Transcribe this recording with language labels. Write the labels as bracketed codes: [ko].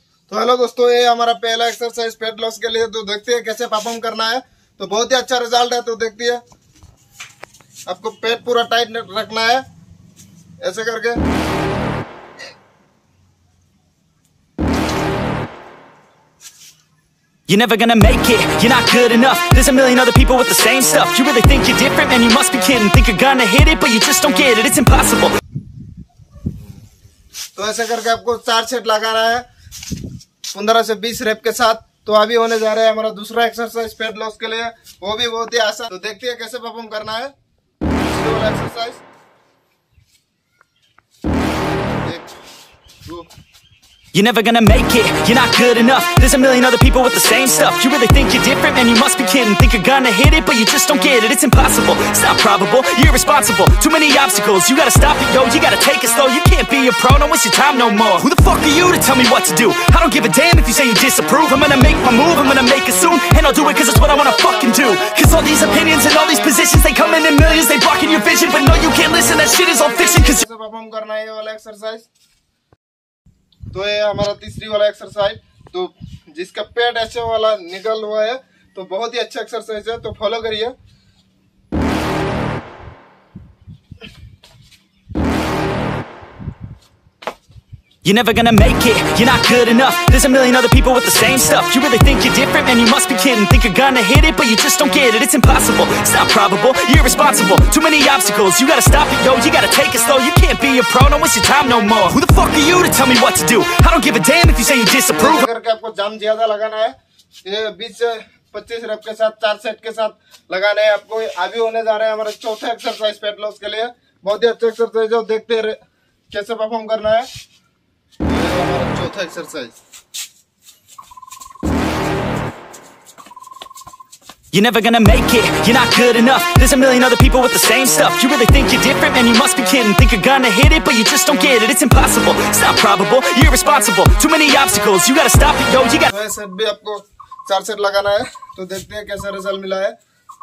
[hi] तो हेलो दोस्तों, ये हमारा पहला एक्सरसाइज पेट लॉस के लिए। तो देखते हैं कैसे परफॉर्म करना है। तो बहुत ही अच्छा रिजल्ट है। तो देखते हैं, आपको पेट पूरा टाइट रखना है ऐसे करके। [en] You're never gonna make it, you're not good enough. There's a million other people with the same stuff. You really think you're different, man, you must be kidding. Think you're gonna hit it, but you just don't get it, it's impossible. [hi] तो ऐसे करके आपको चार set लगाना है 15 से 20 rape के साथ। तो अभी होने जा रहा है हमारा दूसरा एक्सरसाइज फैट लॉस के लिए, वो भी बहुत ही आसान। तो देखते हैं कैसे परफॉर्म करना है दूसरा exercise. [en] You're never gonna make it, you're not good enough. There's a million other people with the same stuff. You really think you're different, man, you must be kidding. Think you're gonna hit it, but you just don't get it. It's impossible, it's not probable, you're irresponsible. Too many obstacles, you gotta stop it, yo. You gotta take it slow, you can't be a pro. No, waste your time no more. Who the fuck are you to tell me what to do? I don't give a damn if you say you disapprove. I'm gonna make my move, I'm gonna make it soon. And I'll do it cause it's what I wanna fucking do. Cause all these opinions and all these positions, they come in millions, they blocking your vision. But no, you can't listen, that shit is all fiction. Cause you're exercise. [hi] तो ये हमारा तीसरी वाला exercise. तो जिसका पेट ऐसे वाला निकल हुआ है तो बहुत ही अच्छा एक्सरसाइज है, तो फॉलो करिए। [en] You're never gonna make it, you're not good enough. There's a million other people with the same stuff. You really think you're different, man, you must be kidding. Think you're gonna hit it, but you just don't get it. It's impossible, it's not probable, you're irresponsible. Too many obstacles, you gotta stop it, yo. You gotta take it slow, you can't be a pro. No, waste your time no more. Who the fuck are you to tell me what to do? I don't give a damn if you say you disapprove. [hi] अगर आपको जाम ज्यादा लगाना है, 20-25 rape के साथ, 4 set के साथ लगाना है आपको, अभी होने जा रहे हैं हमारे चौथे एक्सरसाइज पेट लॉस के लिए। बहुत ही अच्छा एक्सरसाइज है, देखते हैं कैसे परफॉर्म करना है। [en] You're never gonna make it, you're not good enough. There's a million other people with the same stuff. You really think you're different, man, you must be kidding. Think you're gonna hit it, but you just don't get it. It's impossible, it's not probable, you're irresponsible. Too many obstacles, you gotta stop it, yo. You gotta... [hi] तो ऐसे भी आपको चार set लगाना है, तो देखते हैं कैसा रिजल्ट मिला है।